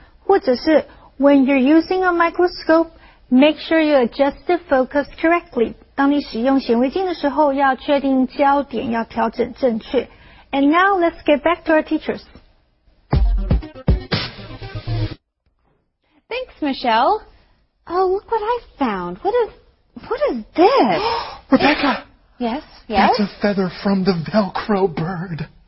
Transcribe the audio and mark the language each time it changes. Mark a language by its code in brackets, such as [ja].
[zh] 或者是 [en] When you're using a microscope, make sure you adjust the focus correctly. [zh] 当你使用显微镜的时候，要确定焦点要调整正确。 [en] And now let's get back to our teachers. Thanks, Michelle. Oh, look what I found. What is this? Rebecca! Yes, yes? That's a feather from the Velcro bird.